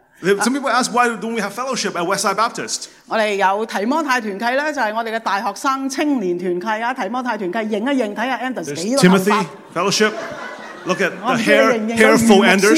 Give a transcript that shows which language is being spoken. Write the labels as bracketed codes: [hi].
[en] Some people ask why don't we have fellowship at Westside Baptist? [yue] 我哋有提摩太團契咧，就係我哋嘅大學生青年團契啊。提摩太團契，認一認，睇下 Anders 幾多頭髮。 [en] Timothy Fellowship, look at the hair, hairful Anders.